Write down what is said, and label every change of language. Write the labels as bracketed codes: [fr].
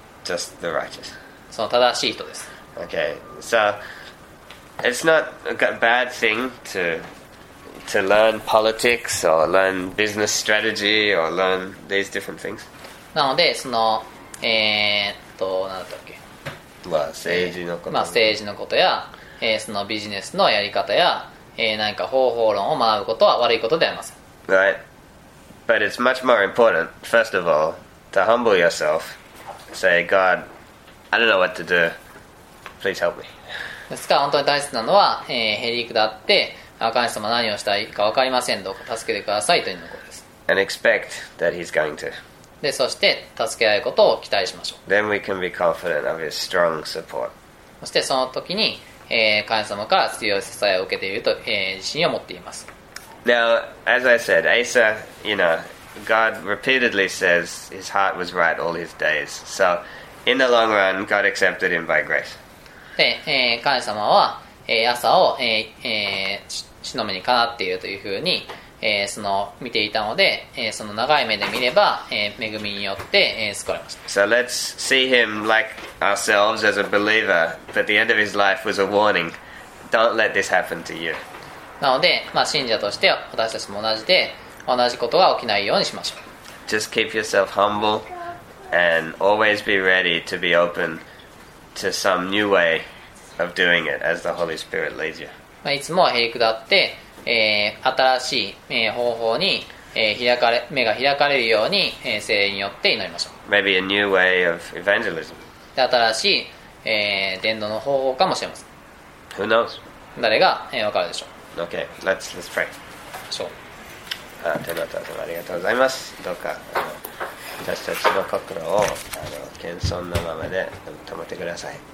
[en] Just the righteous. [ja] その正しい人です。 [en] Okay. So, It's not a bad thing to to learn politics or learn business strategy or learn these different things. [ja] なのでそのなんだったっけ。まあ政治のこと。まあ政治のことや、そのビジネスのやり方や、何か方法論を学ぶことは悪いことではありません。 [en] Right, but it's much more important, first of all, to humble yourself, say, God, I don't know what to do. Please help me. [ja] ですから本当に大切なのは、へり下って、神様何をしたいか分かりません、どうか助けてくださいというのことです。 [en] And expect that he's going to. [ja] で、そして助け合うことを期待しましょう。 [en] Then we can be confident of his strong support. [ja] そしてその時に、神様から強い支えを受けていると、自信を持っています。 [en] Now, as I said, Asa, you know, God repeatedly says his heart was right all his days. So, in the long run, God accepted him by grace. [ja] で、神様は、朝を、しのめにかなっているというふうに、その見ていたので、その長い目で見れば、恵みによって、救われました。 [en] So let's see him like ourselves as a believer, that the end of his life was a warning. Don't let this happen to you. [ja] なので、まあ、信者として私たちも同じで同じことが起きないようにしましょう。 [en] Just keep yourself humble and always be ready to be open to some new way of doing it as the Holy Spirit leads you. [ja] まあ、いつもへり下って、新しい、方法に、目が開かれるように、聖霊によって祈りましょう。 [en] Maybe a new way of evangelism. [ja] で、新しい、伝道の方法かもしれません。 [en] Who knows? [ja] 誰が、わかるでしょう。 [en] Okay, let's pray. [ja] そう。天の父様、ありがとうございます。どうか私たちの心を謙遜のままで保ってください。